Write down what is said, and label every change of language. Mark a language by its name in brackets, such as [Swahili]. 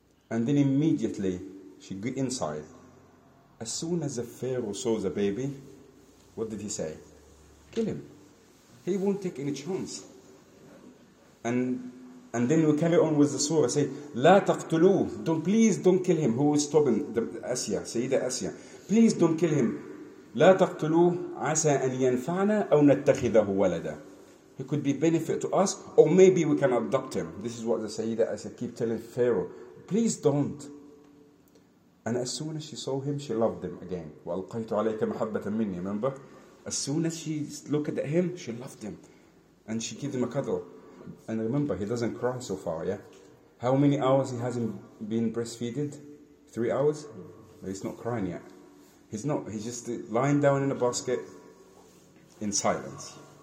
[English] And then immediately, she got inside. As soon as the Pharaoh saw the baby, what did he say? Kill him. He won't take any chance. And then we carry on with the surah, say, [Arabic] لا تقتلوه, [English] don't, please don't kill him. Who is stopping? Asya, Sayyida Asya. Please don't kill him. [Arabic] لا تقتلوه, عسى أن ينفعنا أو نتخذه ولدا. [English] He could be benefit to us, or maybe we can adopt him. This is what the Sayyida Asya keep telling Pharaoh. Please don't. And as soon as she saw him, she loved him again. [Arabic] وألقيت عليك محبة مني, [English] remember? As soon as she looked at him, she loved him. And she gave him a cuddle. And remember, he doesn't cry so far, yeah? How many hours he hasn't been breastfeeded? 3 hours? He's not crying yet. He's not. He's just lying down in a basket in silence.